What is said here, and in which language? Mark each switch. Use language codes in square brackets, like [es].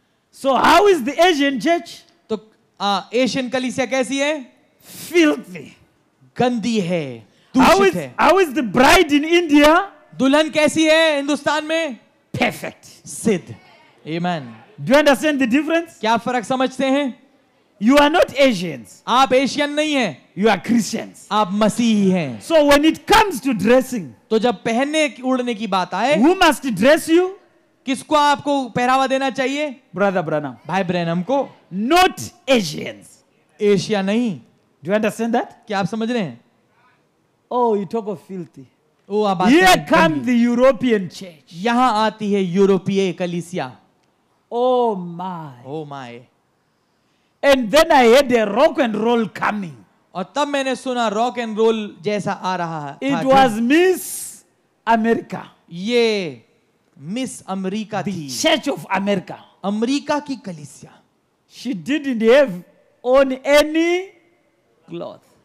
[en] So how is the Asian church? [hi] तो Asian कलीसिया कैसी है? [en] Filthy. [hi] गंदी है. दूषित है. [en] How is the bride in India? [hi] दुल्हन कैसी है हिंदुस्तान में? [en] Perfect. [hi] सिद्ध. Amen. [en] Do you understand the difference? [hi] क्या फर्क समझते हैं? [en] You are not Asians. [hi] आप एशियन नहीं हैं. [en] You are Christians. [hi] आप मसीही हैं. [en] So when it comes to dressing. [hi] तो जब पहनने उड़ने की बात आए. [en] Who must dress you? [hi] किसको आपको पहरावा देना चाहिए? [en] Brother Branham. [hi] भाई ब्रैनम को. [en] Not Asians. [hi] एशिया नहीं. [en] Do you understand that? [hi] क्या आप समझ रहे हैं? [en] Oh, you talk of filthy. Here come the European church. [hi] यहां आती है यूरोपीय कलीसिया. [en] Oh my. Oh my. And then I heard a rock and roll coming. [hi] और तब मैंने सुना रॉक एंड रोल जैसा आ रहा है. [en] It was Miss America. [hi] ये मिस अमेरिका थी. [en] Church of America. [hi] अमेरिका की कलीसिया. [en] She didn't have on any cloth.